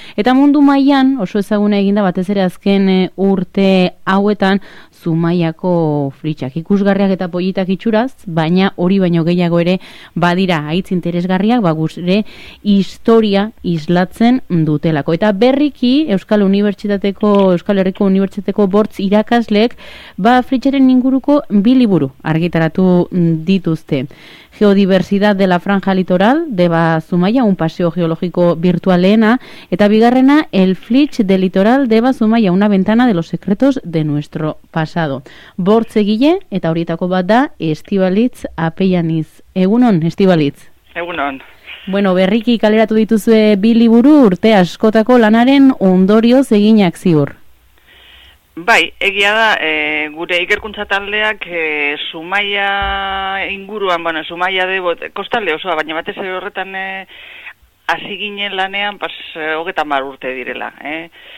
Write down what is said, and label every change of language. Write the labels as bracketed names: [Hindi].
[Basque] Eta mundu mailan oso ezaguna eginda batez ere azken urte hauetan, Zumaiako fritxak ikusgarriak eta pollitak itxuraz, baina hori baino gehiago ere badira aitz interesgarriak, bagusre historia islatzen dutelako. Eta berriki Euskal Herriko Unibertsitateko bortz irakaslek, ba fritxaren inguruko bi liburu argitaratu dituzte. [Spanish] Geodiversidad de la Franja Litoral, deba Zumaia, un paseo geológico virtualena, [Basque] eta bigarrena, [Spanish] el Flitz de Litoral, deba Zumaia, una ventana de los secretos de nuestro pasado. [Basque] Bortz egile, eta horietako bat da, Estibalitz Apeianiz. Egunon, Estibalitz. Egunon. Bueno, berriki kaleratu dituzue bi liburu urte askotako lanaren ondorioz eginak ziur. Bai, egia da, gure ikerkuntza taldeak Zumaia inguruan, bueno, Zumaia de kostalde osoa, baina batez ere horretan hasi ginen lanean pas 30 urte direla, eh.